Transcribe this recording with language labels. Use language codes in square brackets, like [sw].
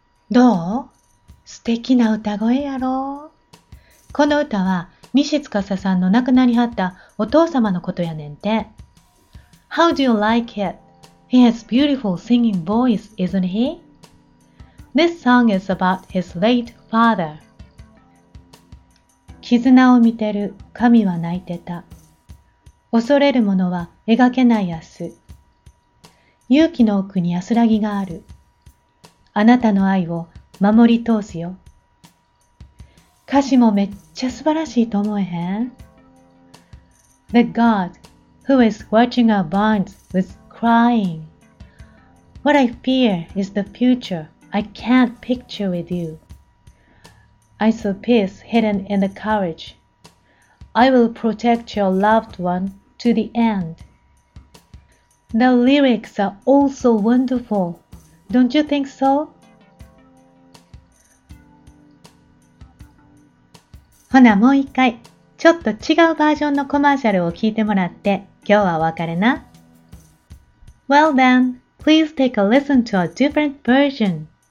[ja] どう？素敵な歌声やろ？この歌は西司さんの亡くなりはったお父様のことやねんて。 [en] How do you like it? He has beautiful singing voice, isn't he? This song is about his late father. [ja] 絆を見てる神は泣いてた。恐れるものは描けない明日。勇気の奥に安らぎがある。あなたの愛を守り通すよ。歌詞もめっちゃ素晴らしいと思えへん？ [en] The God who is watching our bonds was crying. What I fear is the future I can't picture with you. I saw peace hidden in the courage. I will protect your loved one to the end. The lyrics are also wonderful. Don't you think so? [ja] ほな、もう一回、ちょっと違うバージョンのコマーシャルを聞いてもらって、今日はお別れな。 [en] Well then, please take a listen to a different version.